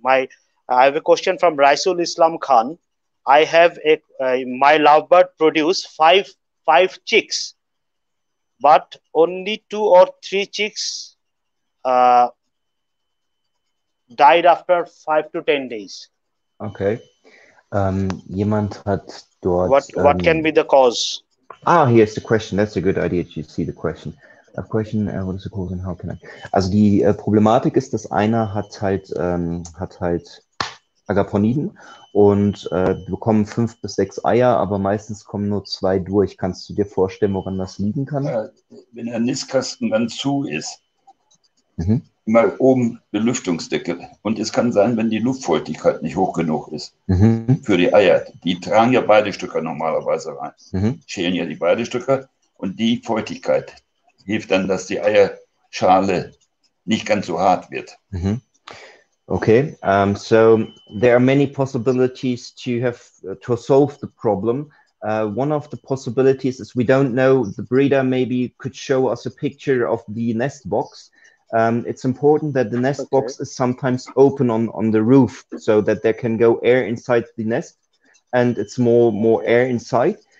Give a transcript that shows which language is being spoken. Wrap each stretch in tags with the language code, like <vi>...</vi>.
<en>I have a question from Raisul Islam Khan. I have my lovebird produced five chicks, but only 2 or 3 chicks died after 5 to 10 days.</en> <de>Okay. Jemand hat dort.</de> <en>What can be the cause? Ah, here's the question. That's a good idea to see the question. A question, what is the cause and how can I?</en> <de>Also die Problematik ist, dass einer hat halt Agaponiden und bekommen 5 bis 6 Eier, aber meistens kommen nur 2 durch. Kannst du dir vorstellen, woran das liegen kann? Wenn der Nistkasten dann zu ist, immer oben Belüftungsdeckel. Und es kann sein, wenn die Luftfeuchtigkeit nicht hoch genug ist für die Eier. Die tragen ja beide Stücke normalerweise rein. Schälen ja die beide Stücke. Und die Feuchtigkeit hilft dann, dass die Eierschale nicht ganz so hart wird.</de> <en>Okay, so there are many possibilities to solve the problem. One of the possibilities is we don't know, the breeder maybe could show us a picture of the nest box. It's important that the nest box is sometimes open on the roof so that there can go air inside the nest and it's more air inside.</en>